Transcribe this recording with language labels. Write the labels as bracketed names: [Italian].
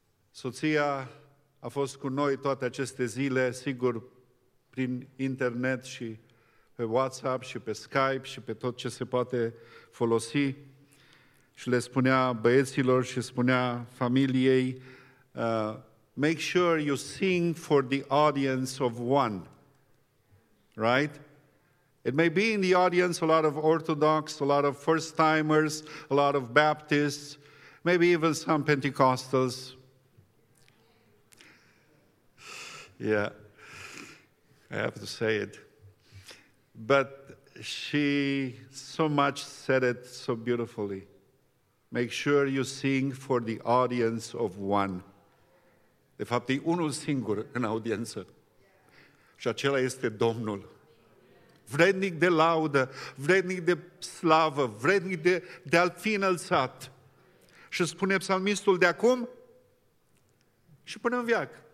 [Romanian] Soția a fost cu noi toate aceste zile, sigur, prin internet și pe WhatsApp și pe Skype și pe tot ce se poate folosi. Și le spunea băieților și spunea familiei, [English] make sure you sing for the audience of one, right? It may be in the audience a lot of Orthodox, a lot of first-timers, a lot of Baptists, maybe even some Pentecostals. Yeah, I have to say it. But she so much said it so beautifully. Make sure you sing for the audience of one. [Romanian] De fapt, e unul singur în audiență. Și acela este Domnul. Vrednic de laudă, vrednic de slavă, vrednic de a fi înălțat. Și spune psalmistul, de acum și până în veac.